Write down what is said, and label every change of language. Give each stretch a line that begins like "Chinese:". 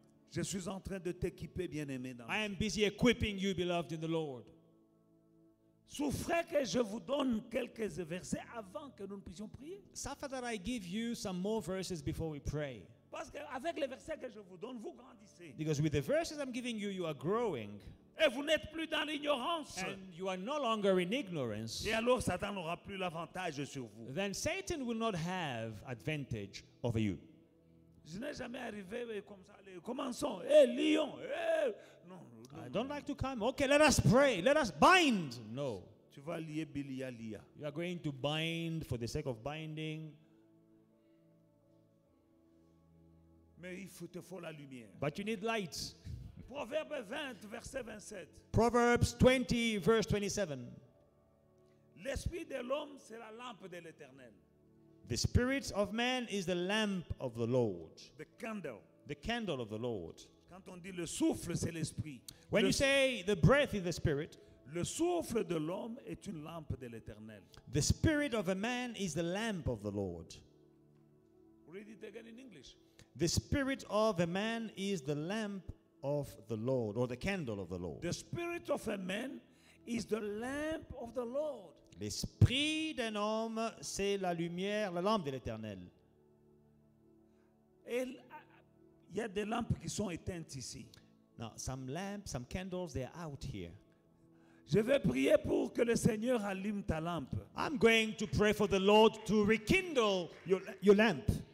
French: Je suis en train de t'équiper, bien-aimé. Dans
English: I am busy equipping you, beloved in the Lord.
French: Souffrez que je vous donne quelques versets avant que nous ne puissions prier.
English: Suffer that I give you some more verses before we pray.
French: Parce qu'avec les versets que je vous donne, vous grandissez.
English: Because with the verses I'm giving you, you are growing.
French: Et vous n'êtes plus dans l'ignorance.
English: And you are no longer in ignorance.
French: Et alors Satan n'aura plus l'avantage sur vous.
English: Then Satan will not have advantage over you.
French: Je n'ai jamais arrivé comme ça. Allez, commençons. Hey, lion. Hey. Non.
English: I don't like to come. Okay, let us pray. Let us bind. No.
French: Tu vas lier Billy à Lia.
English: You are going to bind for the sake of binding.
French: Mais il faut te faut la lumière.
English: But you need light.
French: Proverbe 20, verset 27.
English: Proverbs 20, verse 27.
French: L'esprit de l'homme, c'est la lampe de l'Éternel.
English: The spirit of man is the lamp of the Lord. The candle. The candle of the Lord.
French: Quand on dit le souffle, c'est l'esprit.
English: When
French: le
English: you say the breath is the spirit,
French: le souffle de l'homme est une lampe de l'Éternel.
English: The spirit of a man is the lamp of the Lord. Read it again in English. The spirit of a man is the lamp of the Lord, or the candle of the Lord. The spirit of a man is the lamp of the Lord.
French: L'esprit d'un homme, c'est la lumière, la lampe de l'Éternel. Il y a des lampes qui sont éteintes ici.
English: Now, some lamps, some candles, they are out here.
French: Je vais prier pour que le Seigneur allume ta lampe.
English: I'm going to pray for the Lord to rekindle your lamp.